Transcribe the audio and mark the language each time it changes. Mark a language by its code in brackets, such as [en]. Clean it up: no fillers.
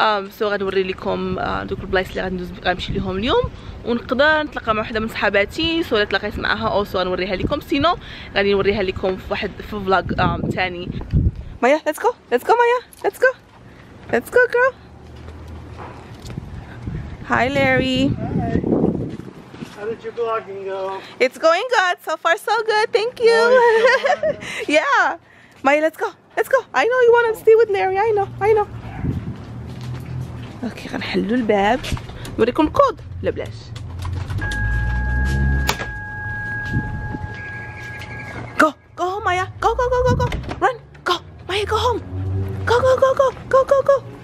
[ar] سو غنوري لكم دوك البلايص اللي غنمشي لهم اليوم، ونقدر نتلاقى مع وحده من صحباتي سو تلاقيت معاها اوصل غنوريها لكم، سينو غادي نوريها لكم في واحد في فلوغ ثاني. [en] Maya let's go, let's go Maya, let's go, let's go girl. Hi Larry, how did your vlogging go? It's going good. So far, so good. Thank you. Oh, yeah. Maya, let's go. Let's go. I know you want to stay with Larry. I know. I know. [ar] Okay, غنحلوا الباب. نوريكم الكود. لا بلاش. [en] Go. Go home, Maya. Go, go, go, go, go. Run. Go. Maya, go home. Go, go, go, go. Go, go, go.